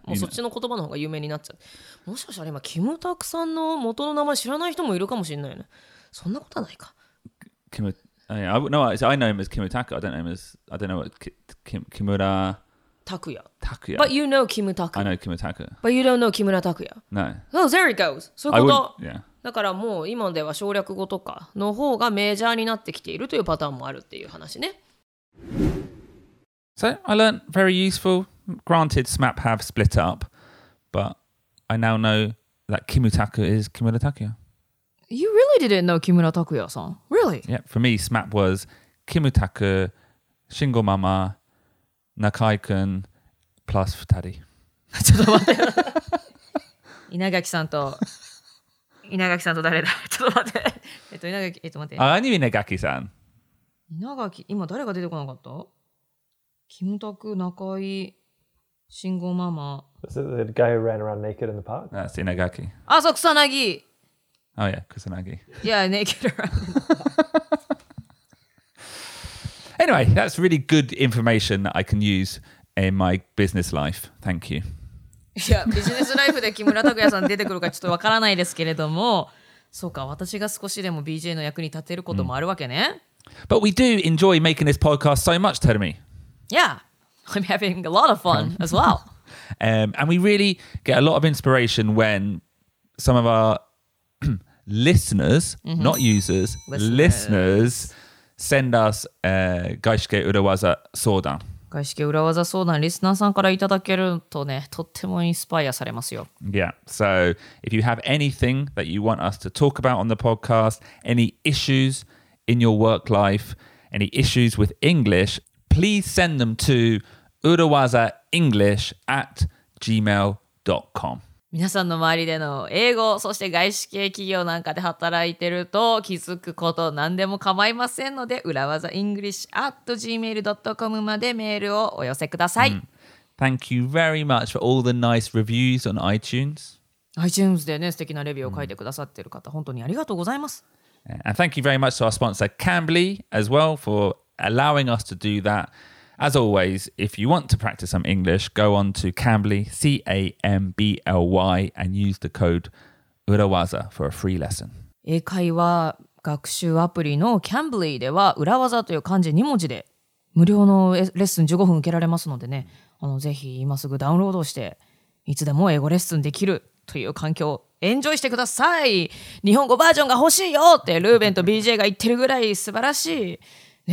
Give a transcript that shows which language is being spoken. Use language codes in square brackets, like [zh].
[ja] もうそっちの言葉の方が有名になっちゃう。もしかしたら今、キムタクさんの元の名前知らない人もいるかもしれないね。そんなことはないか。 [en] Kim, yeah, no, I know him as Kim Taku. I don't know what Kimura... Takuya. Takuya. But you know Kim Taku. I know Kim Taku. But you don't know Kimura Takuya. No. Oh, there it goes. [ja] そういうこと。だからもう今では省略語とかの方がメジャーになってきているというパターンもあるっていう話ね。 [en] So, I learned very useful. Granted, SMAP have split up, but I now know that Kimu Taku is Kimura Takuya. You really didn't know Kimura Takuya-san? Really? Yeah, for me, SMAP was Kimu Taku, Shingo Mama, Nakai-kun, plus Futari. [ja] ちょっと待って。稲垣さんと稲垣さんと誰だ。ちょっと待って。稲垣、待って。あ、何稲垣さん。稲垣、今誰が出てこなかった？キムタク、中井、信号ママ。 [en] Is it the guy who ran around naked in the park? That's 稲垣。 [ja] あ、そう、草薙。 [en] Oh yeah, 草薙。 Yeah, naked around. Anyway, that's really good information that I can use in my business life. Thank you. [ja] いや、ビジネスライフで木村拓哉さん出てくるかちょっとわからないですけれども、そうか、私が少しでも BJ の役に立てることもあるわけね。 [en] But we do enjoy making this podcast so much, Terumi. Yeah, I'm having a lot of fun as well. And we really get a lot of inspiration when some of our listeners, not users, listeners send us [ja] 外資系裏技相談。外資系裏技相談リスナーさんからいただけるとね、とってもインスパイアされますよ。 [en] Yeah, so if you have anything that you want us to talk about on the podcast, any issues in your work life, any issues with English, please send them to urawazaenglish@gmail.com。 [ja] 皆さんの周りでの英語、そして外資系企業なんかで働いてると気づくこと何でも構いませんので、裏技 english@gmail.com までメールをお寄せください。 [en] Thank you very much for all the nice reviews on iTunes. [ja] iTunes でね、素敵なレビューを書いてくださってる方、本当にありがとうございます。 [en] And thank you very much to our sponsor Cambly as well for allowing us to do that. As always, if you want to practice some English, go on to Cambly, C-A-M-B-L-Y, and use the code URAWAZA for a free lesson. [ja] 英会話学習アプリの Cambly では、裏技という漢字2文字で無料のレッスン15分受けられますのでね、ぜひ今すぐダウンロードして、いつでも英語レッスンできるという環境をエンジョイしてください。日本語バージョンが欲しいよってルーベンと BJ が言ってるぐらい素晴らしい。